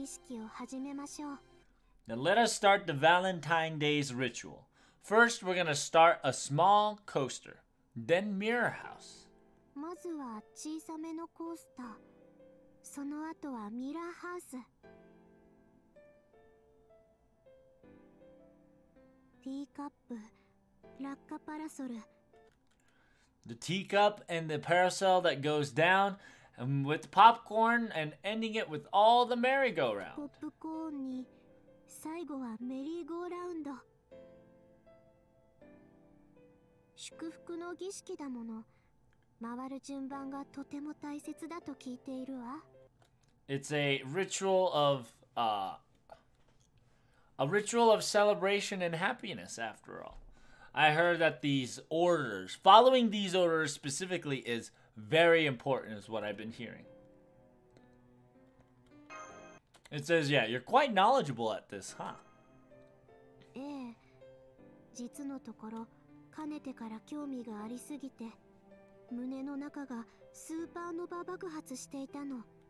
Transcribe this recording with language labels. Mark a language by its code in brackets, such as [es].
[en] Now let us start the Valentine Day's ritual. First, we're gonna start a small coaster, then Mirror House. [ja] まずは小さめのコースター、その後はミラーハウス。ティーカップ、落下パラソル。 [en] The teacup and the parasol that goes down, and with popcorn and ending it with all the merry-go-round. [ja] ポップコーンに、最後はメリーゴーラウンド。祝福の儀式だもの。回る順番がとても大切だと聞いているわ。 [en] It's a ritual of, a ritual of celebration and happiness, after all. I heard that these orders, following these orders specifically, is very important, is what I've been hearing. It says, yeah, you're quite knowledgeable at this, huh? [ja] ええ。実のところ、かねてから興味がありすぎて。胸の中がスーパーノバ爆発していたの。